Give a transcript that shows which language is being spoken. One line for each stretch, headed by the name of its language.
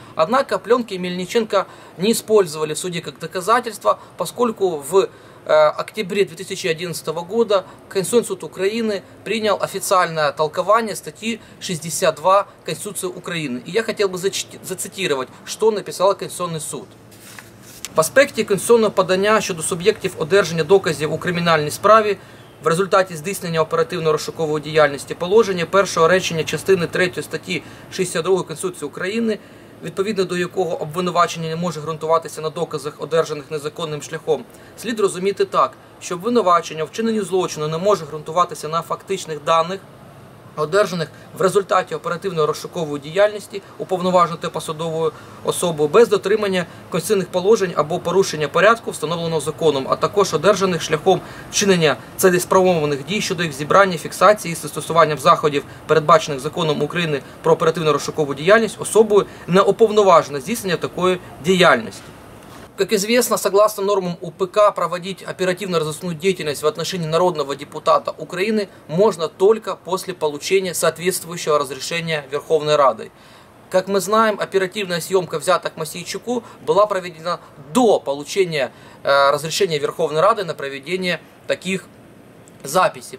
Russian: Однако пленки Мельниченко не использовали в суде как доказательства, поскольку в октябре 2011 года Конституционный суд Украины принял официальное толкование статьи 62 Конституции Украины. И я хотел бы зацитировать, что написал Конституционный суд.
Ukrainian: В аспекте конституционного подання щодо суб'єктів одержання доказів у кримінальній справі в результаті здійснення оперативно-розшукової діяльності положення першого речення частини 3 статті 62 Конституції України, відповідно до якого обвинувачення не може ґрунтуватися на доказах, одержаних незаконним шляхом, слід розуміти так, що обвинувачення у вчиненні злочину не може ґрунтуватися на фактичних даних, одержаних в результаті оперативно-розшукової діяльності уповноваженою посадовою особою без дотримання конституційних положень або порушення порядку, встановленого законом, а також одержаних шляхом вчинення цілеспрямованих дій щодо їх зібрання, фіксації і застосування заходів, передбачених законом України про оперативно-розшукову діяльність особою, не уповноваженою здійснення такої діяльності.
Russian: Как известно, согласно нормам УПК, проводить оперативно-розыскную деятельность в отношении народного депутата Украины можно только после получения соответствующего разрешения Верховной Радой. Как мы знаем, оперативная съемка взяток Мосійчуку была проведена до получения разрешения Верховной Рады на проведение таких записей.